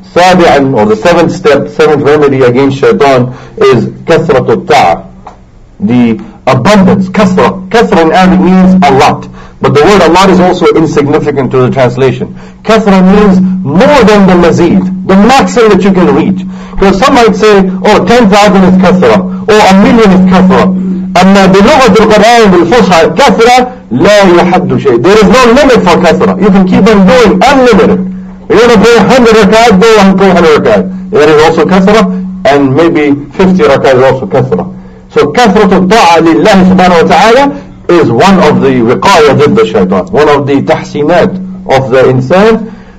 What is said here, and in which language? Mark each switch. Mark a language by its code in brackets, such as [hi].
[ar] سابعا, [en] or the seventh step, seventh remedy against shaitan is [ar] كثرة الطاعة, [en] the abundance. كثرة, كثرة in Arabic means a lot, but the word a lot is also insignificant to the translation. كثرة means more than the مزيد, the maximum that you can reach. Because some might say, oh, 10,000 is كثرة, or a million is كثرة. [ar] أما بلغة القرآن بالفصحى كثرة لا يحد شيء. [en] There is no limit for كثرة. You can keep on doing unlimited. You're going to pray 100 rakat, go and pray 100 rakat. There is also كثرة, and maybe 50 rakat is also كثرة. So [ar] كثرة الطاعة لله سبحانه وتعالى [en] is one of the [ar] وقاية ضد الشيطان, [en] one of the تحسينات of the insan.